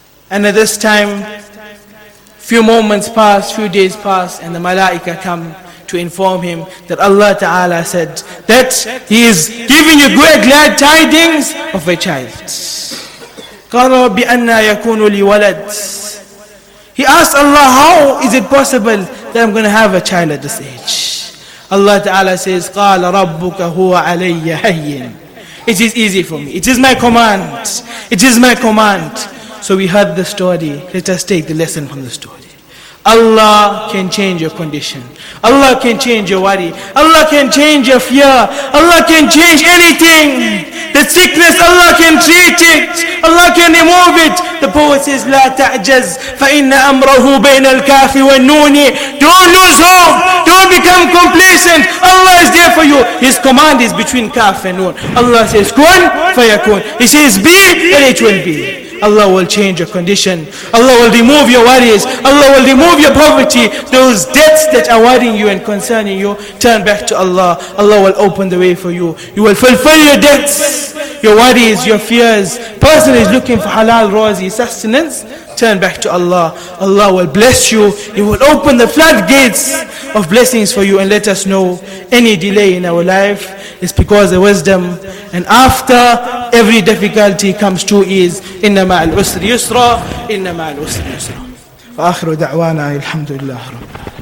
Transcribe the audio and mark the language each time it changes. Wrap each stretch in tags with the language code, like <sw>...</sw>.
<en>And at this time, few moments pass, few days pass, and the malaika come to inform him that Allah Ta'ala said that He is giving you great glad tidings of a child.</en> <ar>قَالَ رَبِّ أَنَّا يَكُونُ لِي وَلَدٍ.</ar> <en>He asked Allah, how is it possible that I'm going to have a child at this age? Allah Ta'ala says,</en> <ar>قَالَ رَبُّكَ هُوَ عَلَيَّ هَيِّنٌ.</ar> <en>It is easy for me. It is my command. It is my command. So we heard the story. Let us take the lesson from the story. Allah can change your condition. Allah can change your worry. Allah can change your fear. Allah can change anything. The sickness, Allah can treat it. Allah can remove it. The poet says,</en> <ar>لا تعجز فإن أمره بين الكاف والنون.</ar> <en>Don't lose hope. Don't become complacent. Allah is there for you. His command is between kaf and noon. Allah says,</en> <ar>كن فيكون.</ar> <en>He says, be, and it will be. Allah will change your condition. Allah will remove your worries. Allah will remove your poverty. Those debts that are worrying you and concerning you, turn back to Allah. Allah will open the way for you. You will fulfill your debts, your worries, your fears. Person is looking for halal, rawzi, sustenance. Turn back to Allah. Allah will bless you. He will open the floodgates of blessings for you. And let us know, any delay in our life is because of wisdom. And after every difficulty comes to ease.</en> <ar>إنما العسر يسرا إنما العسر يسرا وآخر دعوانا الحمد لله رب العالمين.</ar>